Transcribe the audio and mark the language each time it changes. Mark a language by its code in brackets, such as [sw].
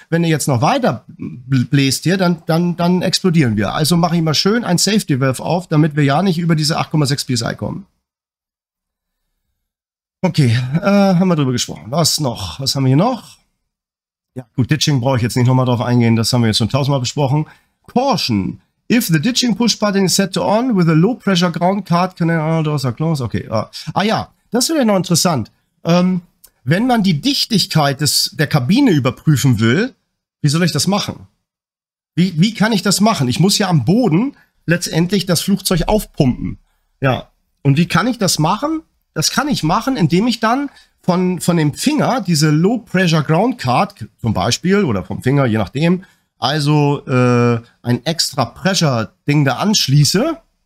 [de] Wenn ihr jetzt noch weiter bläst hier, dann explodieren wir. Also mache ich mal schön ein Safety Valve auf, damit wir ja nicht über diese 8,6 PSI kommen. Okay, haben wir drüber gesprochen. Was noch? Was haben wir hier noch? Ja, gut, Ditching brauche ich jetzt nicht nochmal drauf eingehen. Das haben wir jetzt schon tausendmal besprochen. Caution. [en] If the Ditching Push Button is set to on with a low pressure ground card, can I doors are closed? [de] Okay, das wäre noch interessant. Wenn man die Dichtigkeit der Kabine überprüfen will, wie soll ich das machen? Wie kann ich das machen? Ich muss ja am Boden letztendlich das Flugzeug aufpumpen. Ja, und wie kann ich das machen? Das kann ich machen, indem ich dann von dem Finger diese Low-Pressure-Ground-Card zum Beispiel oder vom Finger, je nachdem, also ein extra Pressure-Ding da anschließe.